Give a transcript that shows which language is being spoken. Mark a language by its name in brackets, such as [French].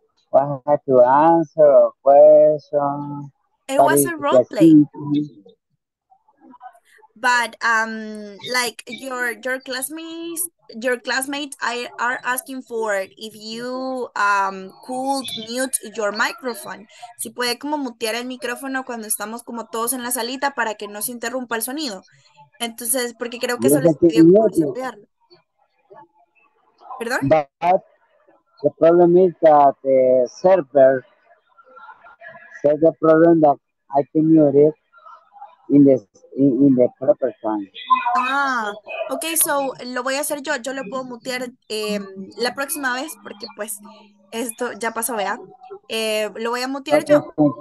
[English] What I have to answer a question. It was a role play. But like your classmates are asking for if you could mute your microphone. [Spanish] Si puede como mutear el micrófono cuando estamos como todos en la salita para que no se interrumpa el sonido. Entonces, porque creo que eso les pidió mutearlo. ¿Perdón? [English] But the problem is that the server said the problem that I can mute it. In the proper time. [Spanish] Ah, okay, so lo voy a hacer yo. Yo lo puedo mutear la próxima vez porque pues esto ya pasó, ¿vea? Lo voy a mutear yo.